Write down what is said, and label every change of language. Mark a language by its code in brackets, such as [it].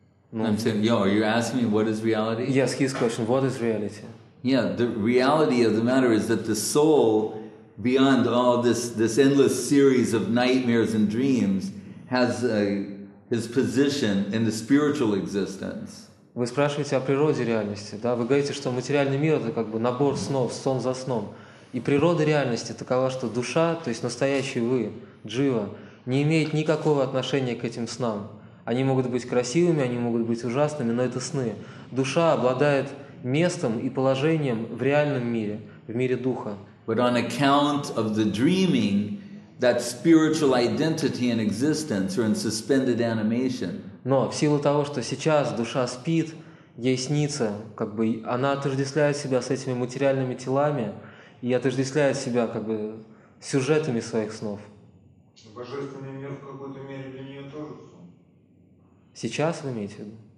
[en] No. I'm saying, are you asking me what is reality? Yes, his question. What is reality? Yeah, the reality of the matter is that the soul, beyond all this endless series of nightmares and dreams, has a his position in the spiritual existence. [ru] Вы спрашиваете о природе реальности, да? Вы говорите, что материальный мир — это как бы набор снов, сон за сном. И природа реальности такова, что душа, то есть настоящий вы, джива, не имеет никакого отношения к этим снам. Они могут быть красивыми, они могут быть ужасными, но это сны. Душа обладает местом и положением в реальном мире, в мире духа. [en] But on account of the dreaming, that spiritual identity and existence are in suspended animation. [ru] Но в силу того, что сейчас душа спит, ей снится, как бы она отождествляет себя с этими материальными телами и отождествляет себя как бы сюжетами своих снов. Божественный мир в какой-то мере для нее тоже сон. Сейчас вы имеете в виду?